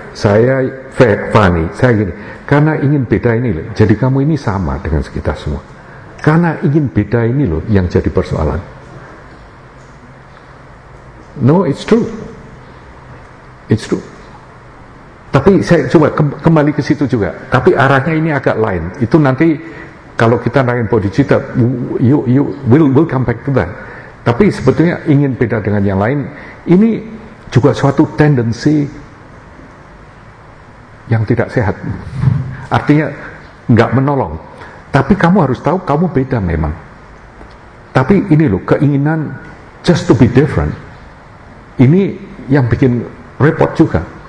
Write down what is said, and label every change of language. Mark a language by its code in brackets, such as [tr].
[id] Saya funny, saya gini. Karena ingin beda ini loh. Jadi kamu ini sama dengan sekitar semua. Karena ingin beda ini loh yang jadi persoalan. [en] No, it's true. It's true. [id] Tapi saya coba kembali ke situ juga. Tapi arahnya ini agak lain. Itu nanti kalau kita nangin bodhicitta, [en] we'll come back to that. [id] Tapi sebetulnya ingin beda dengan yang lain, ini juga suatu tendensi yang tidak sehat, artinya nggak menolong. Tapi kamu harus tahu kamu beda memang. Tapi ini loh, keinginan [en] just to be different, [id] ini yang bikin repot juga.